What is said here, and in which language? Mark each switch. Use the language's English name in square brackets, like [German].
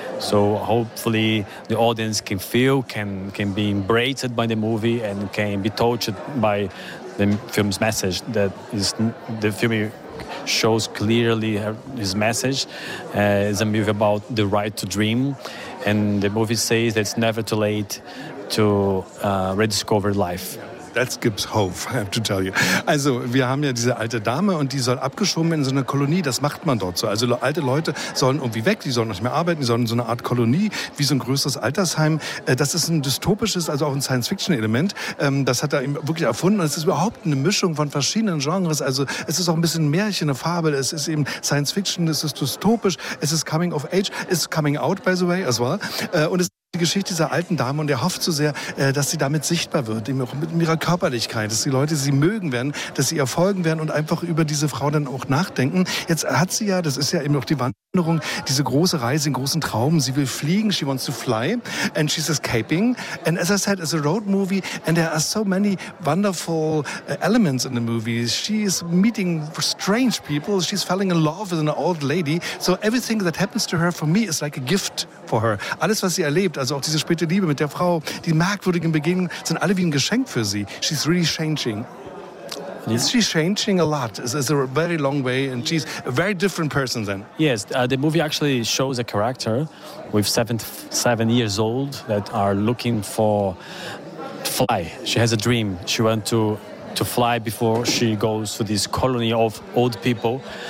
[English] So hopefully the audience can feel, can be embraced by the movie and can be touched by the film's message. That is, the film shows clearly his message. It's a movie about the right to dream, and the movie says that it's never too late to rediscover life. That gives hope, I have to tell you. [German] Also, wir haben ja diese alte Dame und die soll abgeschoben werden in so eine Kolonie. Das macht man dort so. Also alte Leute sollen irgendwie weg, die sollen nicht mehr arbeiten, die sollen in so eine Art Kolonie, wie so ein größeres Altersheim. Das ist ein dystopisches, also auch ein Science-Fiction-Element. Das hat er eben wirklich erfunden. Es ist überhaupt eine Mischung von verschiedenen Genres. Also es ist auch ein bisschen Märchen, eine Fabel. Es ist eben Science-Fiction, es ist dystopisch. Es ist [English] coming of age, it's coming out, by the way, as well. [German] Und es die Geschichte dieser alten Dame und er hofft so sehr, dass sie damit sichtbar wird, eben auch mit ihrer Körperlichkeit, dass die Leute sie mögen werden, dass sie ihr folgen werden und einfach über diese Frau dann auch nachdenken. Jetzt hat sie ja, das ist ja eben auch die Wanderung, diese große Reise, den großen Traum. Sie will fliegen, [English] she wants to fly and she's escaping. And as I said, it's a road movie and there are so many wonderful elements in the movie. She is meeting strange people, she's falling in love with an old lady. So everything that happens to her for me is like a gift for her. [German] Alles, was sie erlebt, also auch diese späte Liebe mit der Frau, die merkwürdigen Begegnungen, sind alle wie ein Geschenk für sie. [English] She's really changing. Yeah. She's changing a lot. It's a very long way and she's a very different person then. Yes, the movie actually shows a character with 77 years old that are looking for to fly. She has a dream. She wants to fly before she goes to this colony of old people.